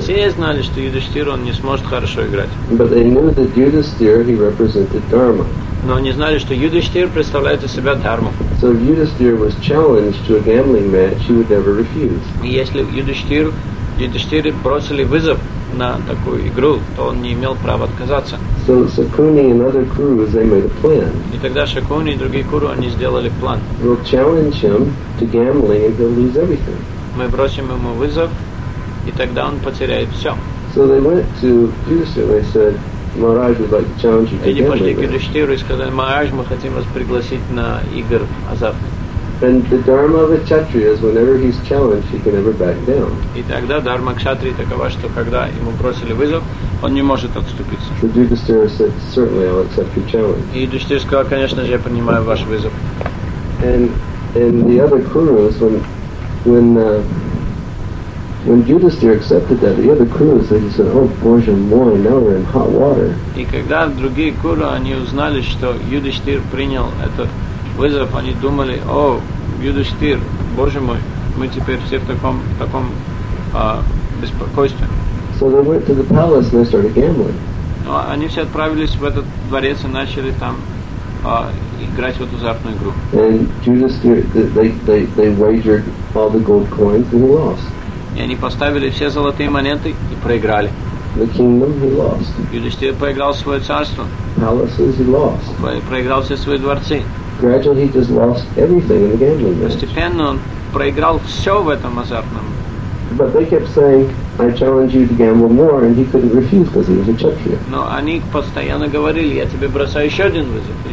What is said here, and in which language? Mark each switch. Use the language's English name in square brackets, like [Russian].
[Russian] Все знали, что Юдиштир он не сможет хорошо играть. [English] But they knew that Yudhishthira, he represented dharma. [Russian] Но они знали, что Юдиштир представляет из себя дарму. [English] So if Yudhishthira was challenged to a gambling match, he would never refuse. [Russian] И если Юдиштире бросили вызов на такую игру, то он не имел права отказаться. [English] So Shakuni and other Kurus, they made a plan. [Russian] И тогда Шакуни и другие Куру, они сделали план. [English] We'll challenge him to gambling and he'll lose everything. [Russian] Мы бросим ему вызов, и тогда он потеряет все. [English] So they went to Yudhishthira and they said, Maharaj would like to challenge you to gambling. [Russian] И пошли к Юдиштиру и сказали, Maharaj, мы хотим вас пригласить на игр азартных. [English] And the dharma of a kshatriya is whenever he's challenged, he can never back down. [Russian] И тогда дарма кшатри такова, что когда ему бросили вызов, он не может отступиться. [English] So Yudhishthira said, "Certainly, I'll accept your challenge." [Russian] И Юдиштир сказал, конечно же, я принимаю ваш вызов. [English] And the other Kurus, when Yudhishthira accepted that, the other Kurus, they said, "Oh, [Russian] Boja Moy, [English] now we're in hot water." [Russian] И когда другие Куру они узнали, что Юдиштир принял этот вызов, они думали, о, Юдиштир, Боже мой, мы теперь все в таком беспокойстве. [English] So they went to the palace and they started gambling. [Russian] Они все отправились в этот дворец и начали там играть в эту азартную игру. [English] And Judas, they wagered all the gold coins and lost. [Russian] И они поставили все золотые монеты и проиграли. [English] The kingdom he lost. [Russian] Юдистир проиграл свое царство. [English] Palaces he lost. [Russian] Проиграл все свои дворцы. [English] Gradually he just lost everything in the gambling match. [Russian] Постепенно он проиграл все в этом азартном. [English] But they kept saying, "I challenge you to gamble more," and he couldn't refuse because he was a Kshatriya. [Russian] Но они постоянно говорили, я тебе бросаю еще один вызов.